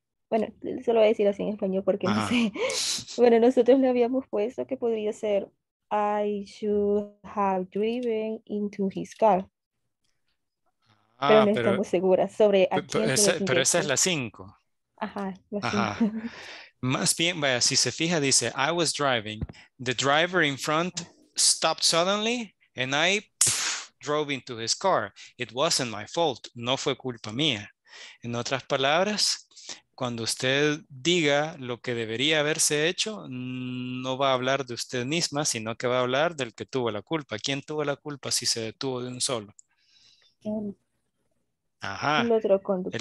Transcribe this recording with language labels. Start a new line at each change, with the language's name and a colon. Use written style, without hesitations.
Spanish: Bueno, solo voy a decir así en español porque no sé. Bueno, nosotros le habíamos puesto que podría ser.
English: I should have driven into his car.
Spanish: Pero no estamos seguras sobre a quién se le tiene. Pero esa es la cinco. Ajá. Más bien, vaya, si se fija, dice,
English: I was driving. The driver in front stopped suddenly and I drove into his car. It wasn't my fault.
Spanish: No fue culpa mía. En otras palabras, cuando usted diga lo que debería haberse hecho, no va a hablar de usted misma, sino que va a hablar del que tuvo la culpa. ¿Quién tuvo la culpa si se detuvo de un solo? El otro conductor.